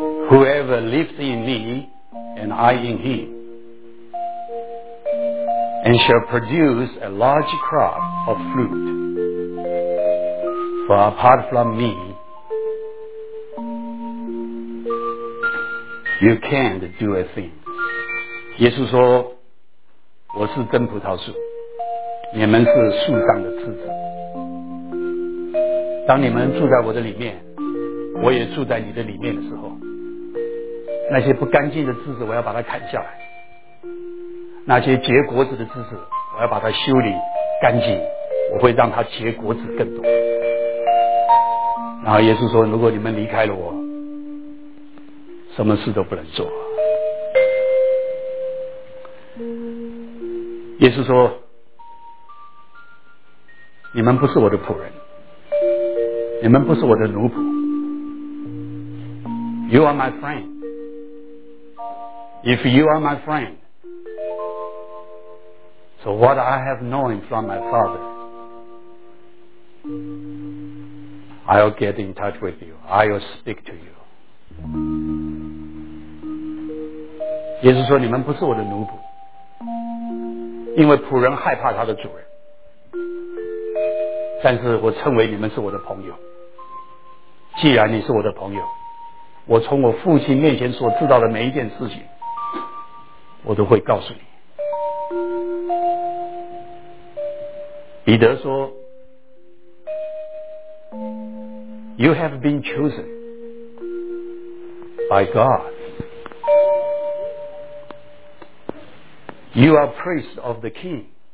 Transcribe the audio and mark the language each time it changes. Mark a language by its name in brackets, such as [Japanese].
[English] Whoever lives in me and I in him, and shall produce a large crop of fruit, for apart from me, you can't do a thing. [Chinese] 耶稣说我是真葡萄树，你们是树上的枝子，当你们住在我的里面，我也住在你的里面的时候，那些不干净的枝子我要把它砍下来，那些结果子的枝子我要把它修理干净，我会让它结果子更多。然后耶稣说，如果你们离开了我，什么事都不能做。耶稣说，你们不是我的仆人，你们不是我的奴仆， [English] You are my friend. If you are my friend, so what I have known from my father, I'll get in touch with you. I'll speak to you. [Chinese] 耶稣说，你们不是我的奴仆，因为仆人害怕他的主人，但是我称为你们是我的朋友。既然你是我的朋友，我从我父亲面前所知道的每一件事情，我都会告诉你。彼得说 [English] You have been chosen by GodYou are priest of the king.